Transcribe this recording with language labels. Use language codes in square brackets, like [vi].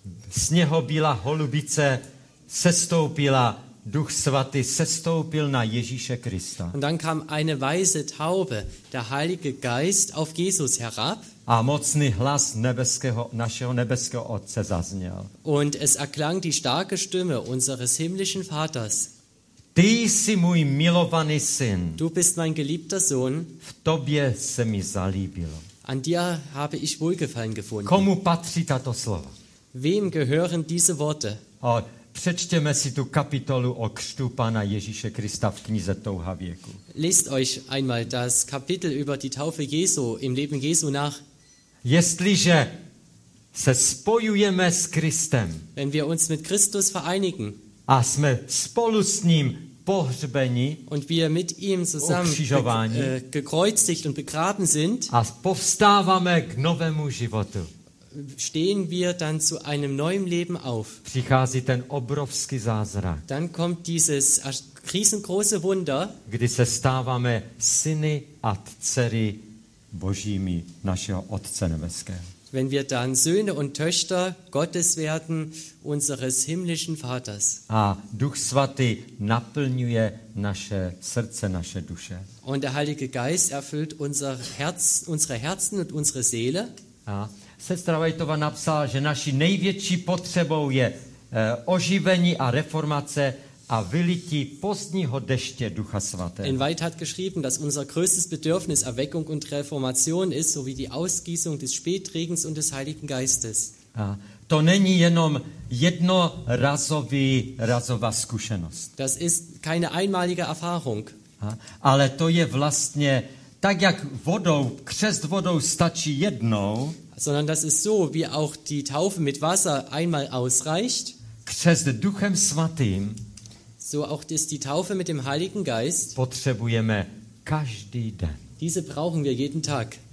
[cs] Z něho bílá holubice sestoupila, Duch Svatý sestoupil na Ježíše Krista. [de] Und dann kam eine weiße Taube, der Heilige Geist, auf Jesus herab. [cs] A mocný hlas našeho nebeského Otce zazněl. [de] Und es erklang die starke Stimme unseres himmlischen Vaters. [cs] Ty jsi můj milovaný syn. [de] Du bist mein geliebter Sohn. [cs] V tobě se mi zalíbilo. [de] An dir habe ich wohlgefallen gefunden. [cs] Komu patří tato slova? [de] Wem gehören diese Worte? [cs] Přečtěme si tu kapitolu o křtu Pána Ježíše Krista v knize Touha věku. [de] Lest euch einmal das Kapitel über die Taufe Jesu im Leben Jesu nach. [cs] Jestliže se spojujeme s Kristem, [de] wenn wir uns mit Christus vereinigen, [cs] a jsme spolu s ním pohřbeni, [de] und wir mit ihm zusammen gekreuzigt und begraben sind, [cs] a povstáváme k novému životu, [de] stehen wir dann zu einem neuen Leben auf. [cs] Přichází ten obrovský zázrak. [de] Dann kommt dieses riesengroße Wunder, [cs] kdy se stáváme syny a dcery Božími našeho Otce nebeského. [de] Wenn wir dann Söhne und Töchter Gottes werden, unseres himmlischen Vaters. [cs] A Duch Svatý naplňuje naše srdce, naše duše. [de] Und der Heilige Geist erfüllt unser Herz, unsere Herzen und unsere Seele. [cs] A sestra Vajtová napsala, že naší největší potřebou je oživení a reformace a vylití pozdního deště Ducha Svatého. [de] In Weit hat geschrieben, dass unser größtes Bedürfnis Erweckung und Reformation ist, sowie die Ausgießung des Spätregens und des Heiligen Geistes. [cs] A to není jenom jednorazová zkušenost. [de] Das ist keine einmalige Erfahrung. [cs] Ale to je vlastně tak, jak vodou, křest vodou stačí jednou, [de] sondern das ist so, wie auch die Taufe mit Wasser einmal ausreicht. [cs] Křest Duchem Svatým. [de] So auch ist die Taufe mit dem Heiligen Geist. [cs] Potřebujeme každý den. [de] Diese brauchen wir jeden Tag.